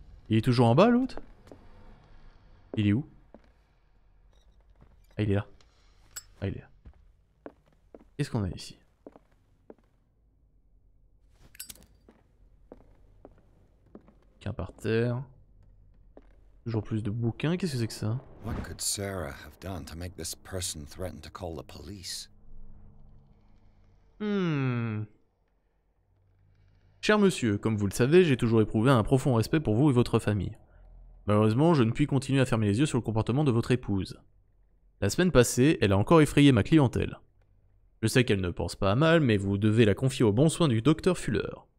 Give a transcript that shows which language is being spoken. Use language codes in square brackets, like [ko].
[fr] Il est toujours en bas, l'autre ? Il est où ? Ah, il est là. Ah, il est là. Qu'est-ce qu'on a ici ? Bouquin par terre. Toujours plus de bouquins, qu'est-ce que c'est que ça ? [en] What could Sarah have done to make this person threaten to call the police? [fr] Cher monsieur, comme vous le savez, j'ai toujours éprouvé un profond respect pour vous et votre famille. Malheureusement, je ne puis continuer à fermer les yeux sur le comportement de votre épouse. La semaine passée, elle a encore effrayé ma clientèle. Je sais qu'elle ne pense pas à mal, mais vous devez la confier aux bons soins du docteur Fuller.